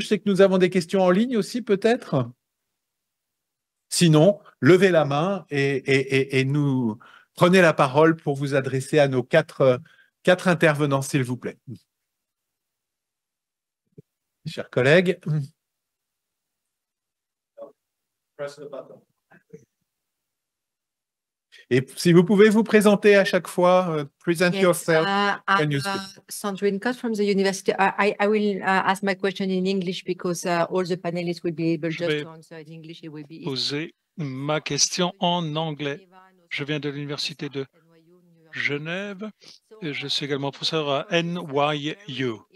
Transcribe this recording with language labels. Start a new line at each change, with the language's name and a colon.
French: Je sais que nous avons des questions en ligne aussi, peut-être. Sinon, levez la main et nous prenez la parole pour vous adresser à nos quatre intervenants, s'il vous plaît. Chers collègues. Et si vous pouvez vous présenter à chaque fois,
English: present yourself. Sandrine Cott from the university. I will ask my question in English because all the panelists will be able just to answer in English.
French: Je vais poser ma question en anglais. Je viens de l'université de Genève et je suis également professeur à NYU.